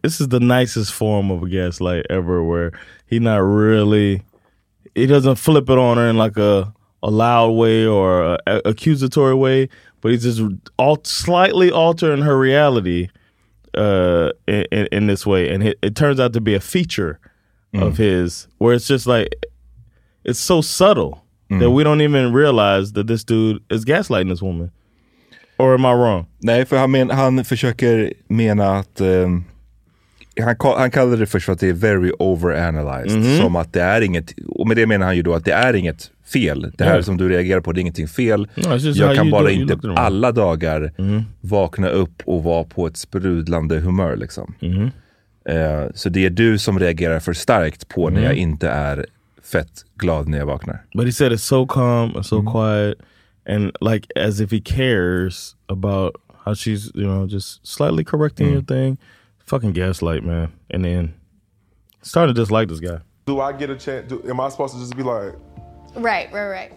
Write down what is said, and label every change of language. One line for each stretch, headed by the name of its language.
English: This is the nicest form of a gaslight ever where he not really, he doesn't flip it on her in like a loud way or a accusatory way, but he's just slightly altering her reality in this way. And it turns out to be a feature of his where it's just like, it's so subtle that we don't even realize that this dude is gaslighting this woman. Or am I wrong?
Swedish: Nej, för han försöker mena att han kallar det först att det är
English: very overanalyzed. Mm-hmm.
Swedish: Som att det är inget, och med det menar han ju då att det är inget fel. Det här som du reagerar på, det är ingenting fel.
English: No,
Swedish: jag kan
English: you
Swedish: bara
English: do,
Swedish: inte alla dagar vakna upp och vara på ett sprudlande humör liksom. Mm-hmm. Så det är du som reagerar för starkt på när jag inte är fett glad när jag vaknar.
English: But he said it's so calm and so quiet. And like as if he cares about how she's, you know, just slightly correcting your thing. Fucking gaslight, man. And then starting to dislike this guy. Do I get a chance? Am I supposed to just be like? Right.